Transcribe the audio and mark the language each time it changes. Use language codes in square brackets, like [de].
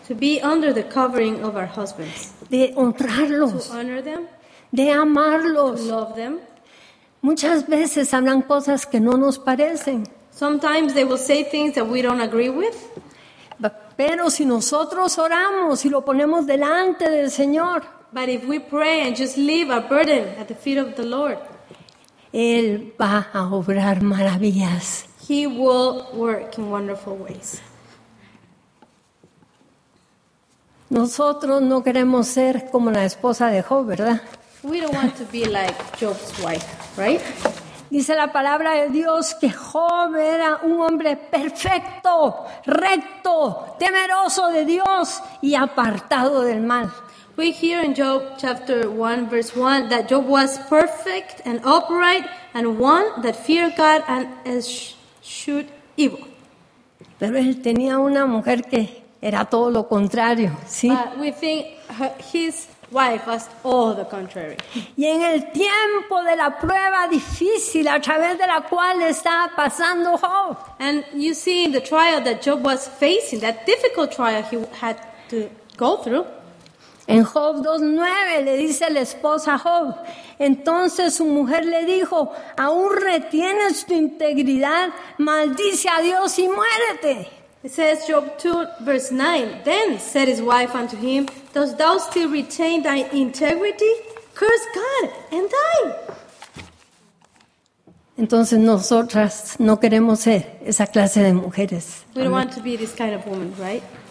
[en] To be under the covering of our husbands. [es] De honrarlos. [en] To honor them. [es] De amarlos. [en] To love them. [es] Muchas veces hablan cosas que no nos parecen. [en] Sometimes they will say things that we don't agree with. [es] Pero si nosotros oramos y lo ponemos delante del Señor. [en] But if we pray and just leave our burden at the feet of the Lord, [es] Él va a obrar maravillas. [en] He will work in wonderful ways. [es] Nosotros no queremos ser como la esposa de Job, ¿verdad? [en] We don't want to be like Job's wife, right? [es] Dice la palabra de Dios que Job era un hombre perfecto, recto, temeroso de Dios y apartado del mal. [en] We hear in Job chapter 1, verse 1, that Job was perfect and upright and one that feared God and eschewed evil. [es] Pero él tenía una mujer que era todo lo contrario, ¿sí? [en] But we think his wife was all the contrary. [es] Y en el tiempo de la prueba difícil a través de la cual estaba pasando Job. [en] And you see in the trial that Job was facing, that difficult trial he had to go through. [es] En Job 2:9 le dice la esposa a Job, entonces su mujer le dijo, aún retienes tu integridad, maldice a Dios y muérete. [en] It says Job 2, verse 9, then said his wife unto him, dost thou still retain thy integrity? Curse God and die. [es] Entonces nosotras no queremos ser esa clase de mujeres. [en] We don't want to be this kind of woman, right?